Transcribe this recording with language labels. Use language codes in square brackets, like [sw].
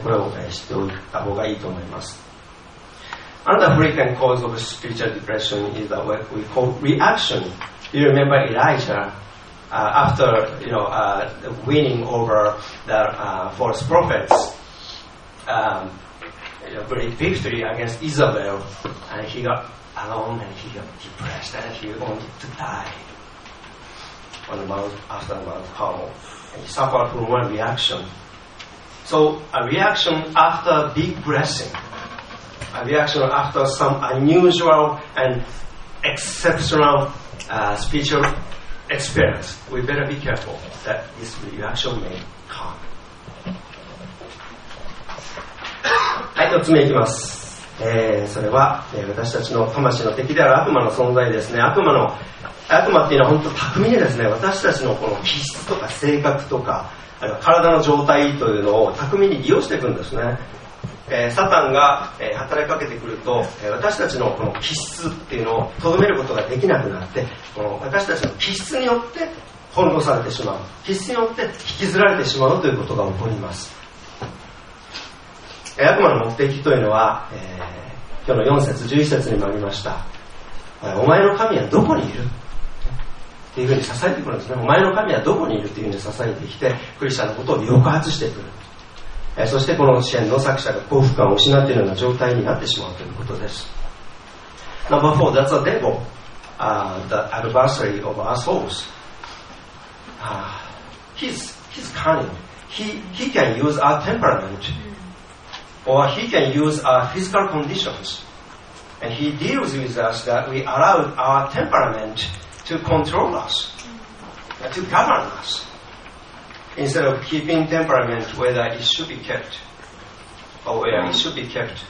[ja] これを知っておいた方がいいと思います。 [en] Another frequent cause of spiritual depression is that what we call reaction. You remember Elijah after winning over the false prophets, great victory against Isabel, and he got alone and he got depressed and he wanted to die on the mount, after the Mount Carmel, and he suffered from one reactionSo a reaction after big blessing, a reaction after some unusual and exceptional spiritual experience, we better be careful that this reaction may come. [ja] はい、4つ目いきます。それは、私たちの魂の敵である悪魔の存在ですね。悪魔っていうのは本当巧みにですね、私たちのこの気質とか性格とか体の状態というのを巧みに利用していくんですね。サタンが働きかけてくると私たちのこの気質っていうのをとどめることができなくなって、この私たちの気質によって翻弄されてしまう、気質によって引きずられてしまうということが起こります。悪魔の目的というのは、今日の4節11節にもありました、お前の神はどこにいるっていうふうに支えてくるんですね。お前の神はどこにいるっていうふうに支えてきて、クリスチャンのことを抑圧してくる。そしてこの詩編の作者が幸福感を失っているような状態になってしまうということです。 [en] Number 4, that's a devil、the adversary of our souls、he's cunning. He can use our temperament or he can use our physical conditions and he deals with us that we allow our temperament to control us, to govern usinstead of keeping temperament whether it should be kept or where it should be kept.